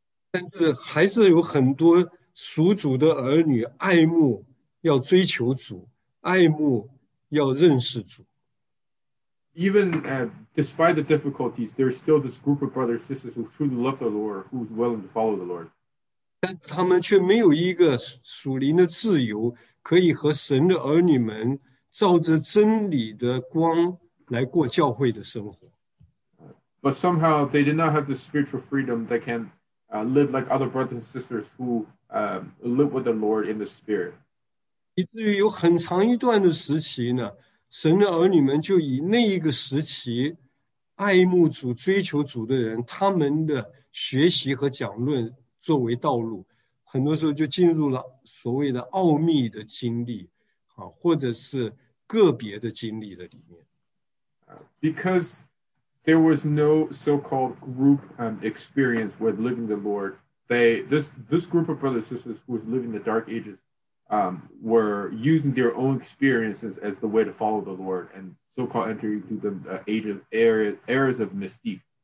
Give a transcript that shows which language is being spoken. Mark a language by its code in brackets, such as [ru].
[zh] 但是还是有很多属主的儿女爱慕，要追求主。爱慕要认识主。 [en] Even despite the difficulties, there's still this group of brothers and sisters who truly love the Lord, who's willing to follow the Lord. [zh] 但是他们却没有一个属灵的自由，可以和神的儿女们照着真理的光来过教会的生活。 [en] But somehow they did not have the spiritual freedom that can live like other brothers and sisters who live with the Lord in the Spirit. [zh] 以至于有很长一段的时期呢，神的儿女们就以那一个时期爱慕主、追求主的人，他们的学习和讲论作为道路，很多时候就进入了所谓的奥秘的经历，啊，或者是个别的经历的里面。 [en] Because there was no so-called group experience with living the Lord, this group of brothers and sisters who was living the dark ages. Were using their own experiences as the way to follow the Lord and so-called entering through the eras of mystique.